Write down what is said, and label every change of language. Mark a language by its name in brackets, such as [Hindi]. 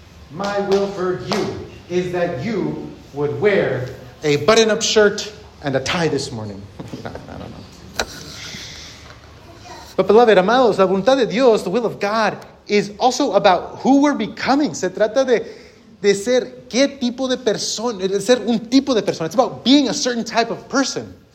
[English] My will for you is that you would wear a button-up shirt and a tie this morning. I don't know. But beloved, amados, [Spanish] la voluntad de Dios, [English] the will of God, is also about who we're becoming. [Spanish] Se trata de ser qué tipo de persona, de ser un tipo de persona. [English] It's about being a certain type of person.